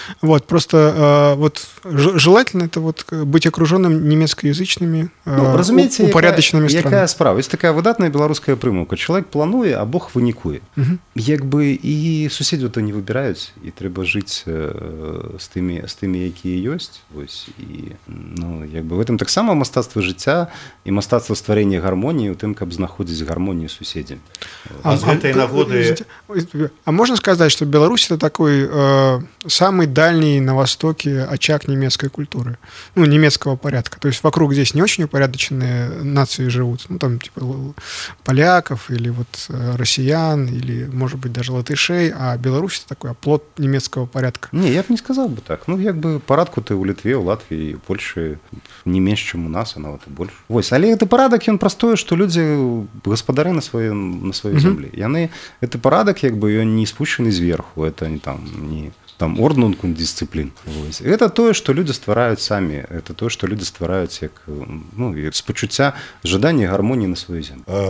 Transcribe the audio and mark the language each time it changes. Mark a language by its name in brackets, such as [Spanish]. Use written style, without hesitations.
[Russian] Вот, просто вот желательно это вот быть окруженным немецкоязычными, упорядоченными странами. Какая справа? Есть такая выдатная белорусская примука. Человек плануе, а Бог выникуе. Как бы и соседи то не выбирают, и треба жить с теми, какие есть. Вот, и, ну, как бы в этом так само мастерство життя и [Belarusian] мастацтва стварэння гармоніі ў тым, каб знаходзіць гармонію суседзям. А з гэтай нагоды... А можна сказаць, што [Russian] Беларусь это такой самый дальний на востоке очаг немецкой культуры, ну, немецкого порядка. То есть вокруг здесь не очень упорядоченные нации живут, ну, там, типа, поляков или вот россиян, или, может быть, даже латышей, а Беларусь это такой оплот немецкого порядка. Не, я бы не сказал бы так. Ну, як бы парадку-то у Литве, у Латвии, у Польши не меньше, чем у нас, она вот больше. [Belarusian] Вось, але гэты парадак, ён простое, што людзі гаспадары на сваёй зямлі. Яны гэты парадак, як бы ён не спущаны зверху, это не там не там орднункун дисциплін. Вось. Гэта тое, што людзі ствараюць самі, гэта тое, што людзі ствараюць як, ну, як з пачуцця жадання гармоніі на сваёй зямлі.